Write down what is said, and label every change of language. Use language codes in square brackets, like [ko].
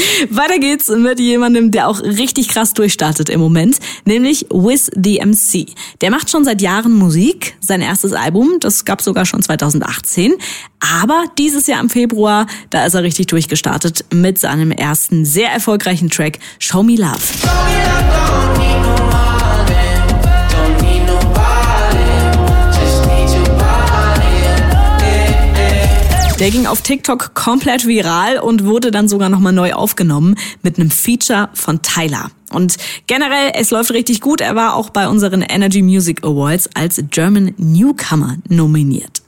[de] Weiter geht's mit jemandem, der auch richtig krass durchstartet im Moment, nämlich Wiz the MC. Der macht schon seit Jahren Musik, sein erstes Album, das gab's sogar schon 2018, aber dieses Jahr im Februar, da ist er richtig durchgestartet mit seinem ersten sehr erfolgreichen Track Show Me Love. [en] Show me love, don't need no more. [de] Der ging auf TikTok komplett viral und wurde dann sogar nochmal neu aufgenommen mit einem Feature von Tyler. Und generell, es läuft richtig gut. Er war auch bei unseren Energy Music Awards als German Newcomer nominiert.